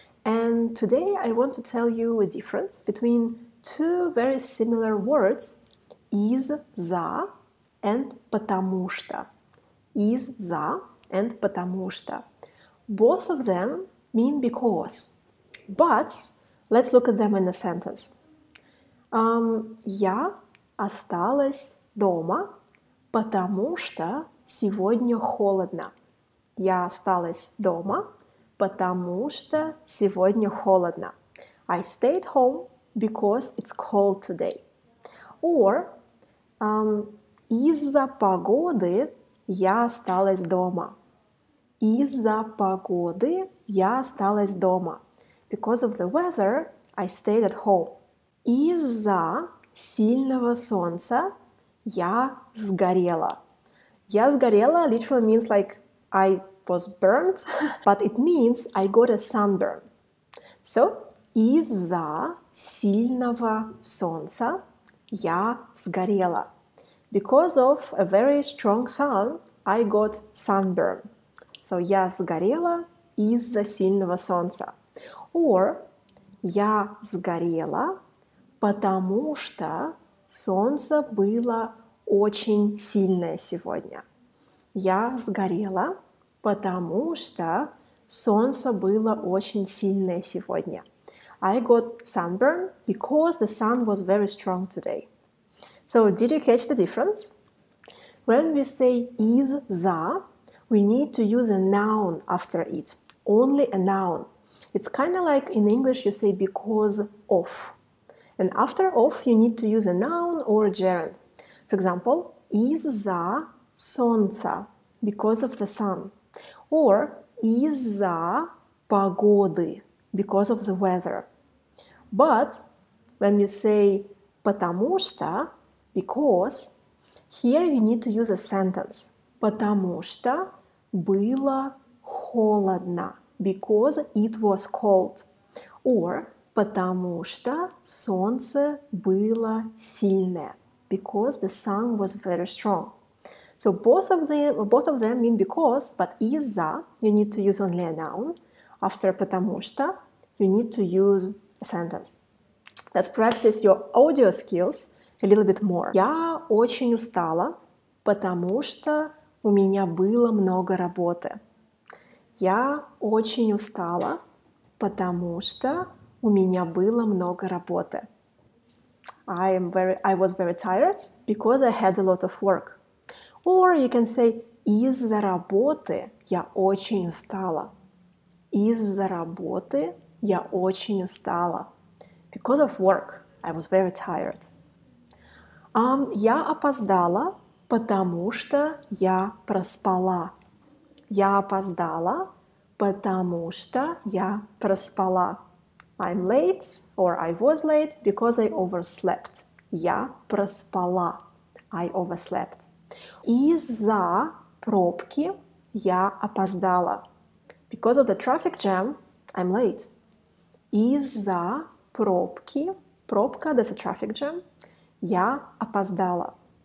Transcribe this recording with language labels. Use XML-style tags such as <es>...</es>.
<en>And today I want to tell you a difference between two very similar words,</en> <ru>из-за</ru> <en>and</en> <ru>потому что. Из-за</ru> <en>and</en> <ru>потому что.</ru> <en>Both of them mean because. But let's look at them in a sentence.</en> <ru>Я осталась дома, потому что... Сегодня холодно. Я осталась дома, потому что сегодня холодно.</ru> <en>I stayed home because it's cold today. Or,</en> <ru>из-за погоды я осталась дома. Из-за погоды я осталась дома.</ru> <en>Because of the weather, I stayed at home.</en> <ru>Из-за сильного солнца я сгорела. Я сгорела</ru> <en>literally means like I was burnt, but it means I got a sunburn. So,</en> <ru>из-за сильного солнца я сгорела.</ru> <en>Because of a very strong sun, I got sunburn. So,</en> <ru>я сгорела из-за сильного солнца.</ru> <en>Or,</en> <ru>я сгорела, потому что солнце было очень сильное сегодня. Я сгорела, потому что солнце было очень сильное сегодня.</ru> <en>I got sunburn because the sun was very strong today. So, did you catch the difference? When we say</en> <ru>из-за,</ru> <en>we need to use a noun after it. Only a noun. It's kind of like in English you say because of. And after of, you need to use a noun or a gerund. For example,</en> <ru>из-за солнца,</ru> <en>because of the sun. Or,</en> <ru>из-за погоды,</ru> <en>because of the weather. But, when you say</en> <ru>потому что,</ru> <en>because, here you need to use a sentence.</en> <ru>Потому что было холодно,</ru> <en>because it was cold. Or,</en> <ru>потому что солнце было сильное.</ru> <en>Because the sun was very strong. So both of them mean because, but</en> <ru>из-за,</ru> <en>you need to use only a noun. After</en> <ru>потому что,</ru> <en>you need to use a sentence. Let's practice your audio skills a little bit more.</en> <ru>Я очень устала, потому что у меня было много работы. Я очень устала, потому что у меня было много работы.</ru> <en>I was very tired because I had a lot of work. Or you can say,</en> <ru>из-за работы я очень устала. Из-за работы я очень устала.</ru> <en>Because of work, I was very tired.</en> <ru>Я опоздала, потому что я проспала. Я опоздала, потому что я проспала.</ru> <en>I'm late, or I was late, because I overslept.</en> <ru>Я проспала.</ru> <en>I overslept.</en> <ru>Из-за пробки я опоздала.</ru> <en>Because of the traffic jam, I'm late.</en> <ru>Из-за пробки, пробка,</ru> <en>that's a traffic jam,</en> <ru>я опоздала.</ru>